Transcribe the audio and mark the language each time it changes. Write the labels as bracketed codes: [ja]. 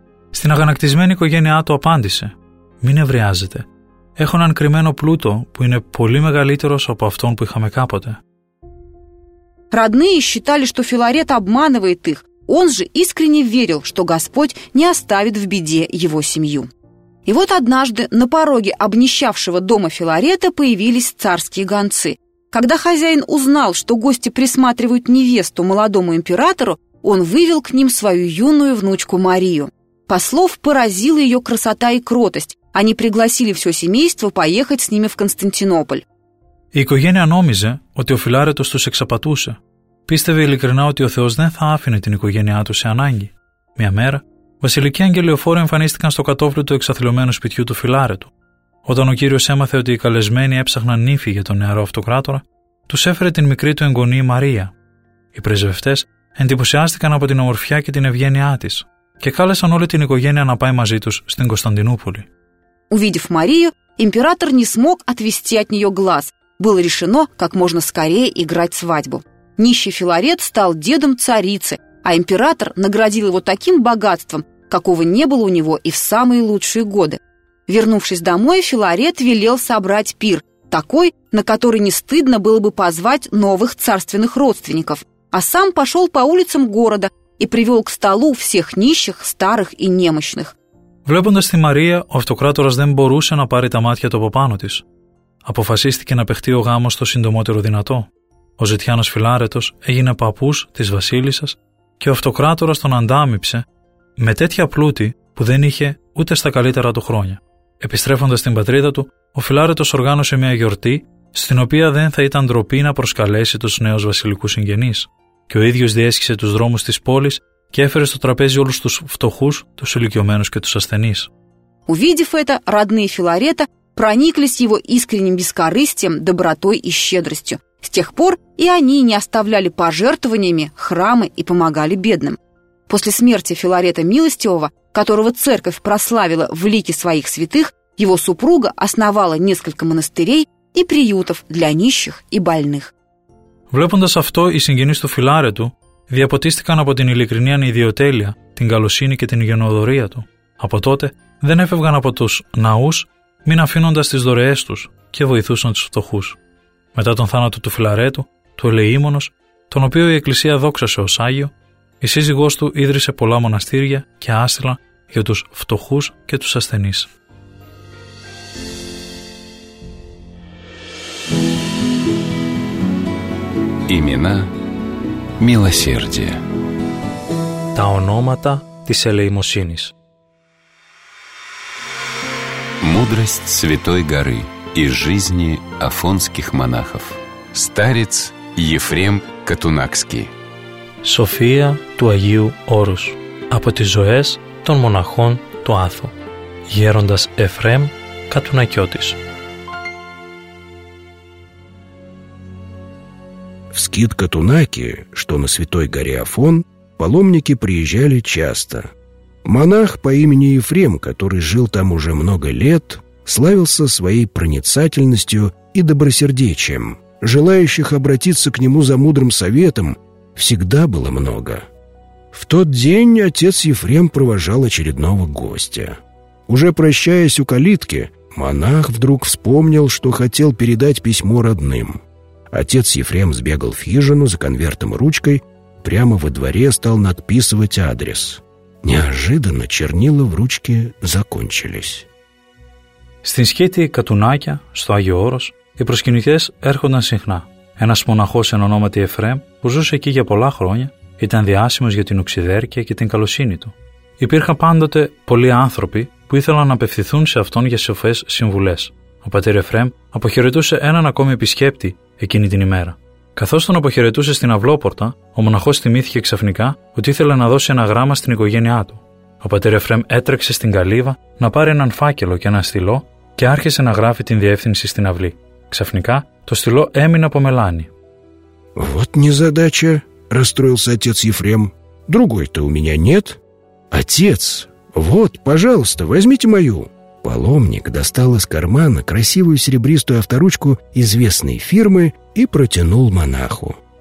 [el] Στην αγανακτισμένη οικογένειά του απάντησε: «Μην ευρεάζετε. Έχω έναν κρυμμένο πλούτο που είναι πολύ μεγαλύτερος από αυτόν που είχαμε κάποτε». [ru] Родные считали, что Филарет обманывает их. Он же искренне верил, что Господь не оставит в беде его семью. И вот однажды на пороге обнищавшего дома Филарета появились царские гонцы. Когда хозяин узнал, что гости присматривают невесту молодому императору, он вывел к ним свою юную внучку Марию. Послов поразила ее красота и кротость. Они пригласили все семейство поехать с ними в Константинополь. [el] Η οικογένεια νόμιζε ότι ο Φιλάρετος τους εξαπατούσε. Πίστευε ειλικρινά ότι ο Θεός δεν θα άφηνε την οικογένειά του σε ανάγκη. Μια μέρα, βασιλικοί αγγελιοφόροι εμφανίστηκαν στο κατώφλι του εξαθλιωμένου σπιτιού του Φιλάρετου. Όταν ο κύριος έμαθε ότι οι καλεσμένοι έψαχναν νύφη για τον νεαρό αυτοκράτορα, τους έφερε την μικρή του εγγονή Μαρία. Οι πρεσβευτές εντυπωσιάστηκαν από την ομορφιά και την ευγένειά της και κάλεσαν όλη την οικογένεια να πάει μαζί τους στην Κωνσταντινούπολη. [ru] Увидев Марию, император не смог отвести от нее глаз. Было решено, как можно скорее играть свадьбу. Нищий Филарет стал дедом царицы, а император наградил его таким богатством, какого не было у него и в самые лучшие годы. Вернувшись домой, Филарет велел собрать пир, такой, на который не стыдно было бы позвать новых царственных родственников, а сам пошел по улицам города и привел к столу всех нищих, старых и немощных. [el] Βλέποντας τη Μαρία, ο αυτοκράτορας δεν μπορούσε να πάρει τα μάτια του από πάνω της. Αποφασίστηκε να παιχτεί ο γάμος το συντομότερο δυνατό. Ο ζητιάνος Φιλάρετος έγινε παππούς της βασίλισσας και ο αυτοκράτορας τον αντάμυψε με τέτοια πλούτη που δεν είχε ούτε στα καλύτερα του χρόνια. Επιστρέφοντας στην πατρίδα του, ο Φιλάρετος οργάνωσε μια γιορτή στην οποία δεν θα ήταν ντροπή να προσκαλέσει τους νέους βασιλικούς συγγενείς. Και ο ίδιος διέσχισε τους δρόμους της πόλης και έφερε στο τραπέζι όλους τους φτωχούς, τους ηλικιωμένους και τους ασθενείς. [ru] Увидев это, родные Филарета прониклись его искренним бескорыстием, добротой и щедростью. С тех пор и они не оставляли пожертвованиями храмы и помогали бедным. После смерти Филарета Милостивого, которого церковь прославила в лике своих святых, его супруга основала несколько монастырей и приютов для нищих и больных. Влепнув это, и [el] συγγενείς του Φιλάρετου διαποτίστηκαν από την ειλικρινή ιδιοτέλεια, την καλοσύνη και την γενναιοδορία του. Από τότε δεν έφευγαν από τους ναούς, μην αφήνοντας τις δωρεές τους και βοηθούσαν τους φτωχούς. Μετά τον θάνατο του Φιλαρέτου, του Ελεήμονος, τον οποίο η Εκκλησία δόξασε ως Άγιο, η σύζυγός του ίδρυσε πολλά μοναστήρια και άστηλα για τους φτωχούς και τους ασθενείς. [ru] Ημινά Μιλοσέρδια. [el] Τα ονόματα της ελεημοσύνης. [ru] Мудрость Святой Горы из жизни афонских монахов. Старец Ефрем Катунакский. [el] София του Αγίου Όρους. Από τις ζωές των μοναχών του Άθου. Γέροντας Εφρέμ Κατουνακιώτης. [ru] В скит Катунаки, что на Святой Горе Афон, паломники приезжали часто. Монах по имени Ефрем, который жил там уже много лет, славился своей проницательностью и добросердечием. Желающих обратиться к нему за мудрым советом всегда было много. В тот день отец Ефрем провожал очередного гостя. Уже прощаясь у калитки, монах вдруг вспомнил, что хотел передать письмо родным. Отец Ефрем сбегал в хижину за конвертом и ручкой, прямо во дворе стал надписывать адрес. Неожиданно чернила в ручке закончились. [el] Στην σκήτη Κατουνάκια, στο Άγιο Όρος, οι προσκυνητές έρχονταν συχνά. Ένας μοναχός εν ονόματι Εφρέμ, που ζούσε εκεί για πολλά χρόνια, ήταν διάσημος για την οξυδέρκεια και την καλοσύνη του. Υπήρχαν πάντοτε πολλοί άνθρωποι που ήθελαν να απευθυνθούν σε αυτόν για σοφές συμβουλές. Ο πατήρ Εφρέμ αποχαιρετούσε έναν ακόμη επισκέπτη εκείνη την ημέρα. Καθώς τον αποχαιρετούσε στην αυλόπορτα, ο μοναχός θυμήθηκε ξαφνικά ότι ήθελε να δώσει ένα γράμμα στην οικογένειά του. Ο πατήρ Εφρέμ έτρεξε στην καλύβα να πάρει έναν φάκελο και ένα στυλό και άρχισε να γράφει την διεύθυνση στην αυλή. Ξαφνικά, το στυλό έμεινε από μελάνη. [ru] «Вот незадача», расстроился отец Ефрем. «Другой-то у меня нет. Отец, вот, пожалуйста, возьмите мою». Паломник достал из кармана красивую серебристую авторучку известной фирмы и протянул монаху.